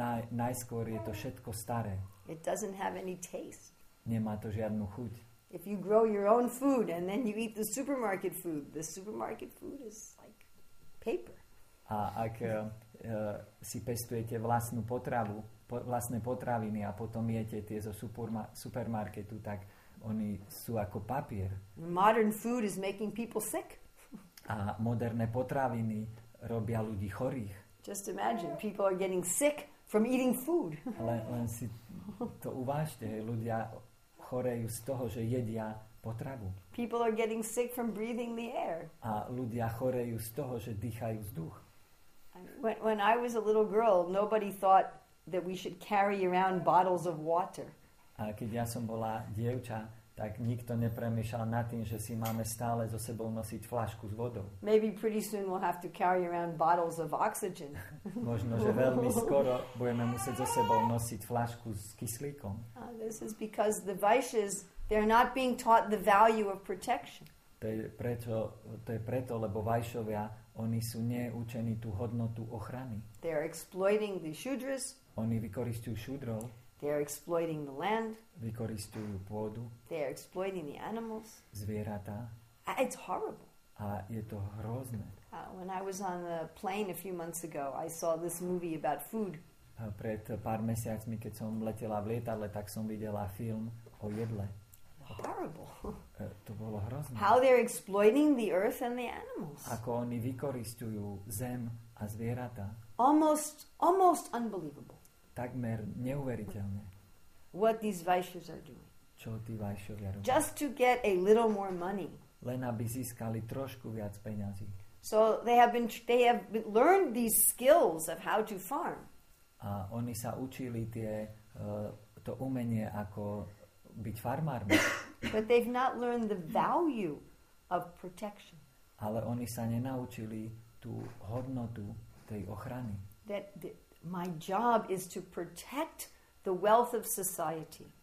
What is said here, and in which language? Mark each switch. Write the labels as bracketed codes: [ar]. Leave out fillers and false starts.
[sk] Najskôr je to všetko staré. [en] It doesn't have any taste. [sk] Nemá to žiadnu chuť. [en] If you grow your own food and then you eat the supermarket food is like paper. [sk] A ak si pestujete vlastnú potravu, vlastné potraviny a potom jete tie zo supermarketu, tak oni sú ako papier. [en] Modern food is making people sick. [sk] a moderné potraviny robia ľudí chorých. [en] Just imagine, people are getting sick from eating food. [sk] Len si to uvážte, ľudia chorejú z toho, že jedia potravu. [en] People are getting sick from breathing the air. [sk] A ľudia chorejú z toho, že dýchajú vzduch. [en] When I was a little girl, nobody thought that we should carry around bottles of water. [sk] A keď ja som bola dievča, tak nikto nepremýšľal nad tým, že si máme stále so sebou nosiť fľašku s vodou. [en] Maybe pretty soon we'll have to carry around bottles of oxygen. [sk] Možno, že veľmi skoro budeme musieť so sebou nosiť fľašku s kyslíkom. [en] This is because the Vaishyas, they're not being taught the value of protection. [sk] To je preto, lebo Vaishyovia, oni sú neučení tú hodnotu ochrany. [en] They are exploiting the Shudras. [sk] Oni vykoristujú Shudrov. [en] They are exploiting the land. [sk] Vykoristujú pôdu. [en] They are exploiting the animals. [sk] Zvieratá. [en] It's horrible. [sk] A je to hrozné. [en] When I was on the plane a few months ago, I saw this movie about food. [sk] Pred pár mesiacmi, keď som letela v lietadle, tak som videla film o jedle. [en] Horrible. [sk] To bolo hrozné. [en] How they are exploiting the earth and the animals. [sk] Ako oni vykoristujú zem a zvieratá. [en] Almost unbelievable. [sk] Takmer neuveriteľne. [en] What these Vaishyas are doing. [sk] Čo tí Vaishyovia robia. [en] Just to get a little more money. [sk] Len aby získali trošku viac peňazí. [en] So they have learned these skills of how to farm. [sk] A oni sa učili to umenie, ako byť farmármi. [en] But they've not learned the value of protection. [sk] Ale oni sa nenaučili tú hodnotu tej ochrany. [en] My job is to protect the wealth of society.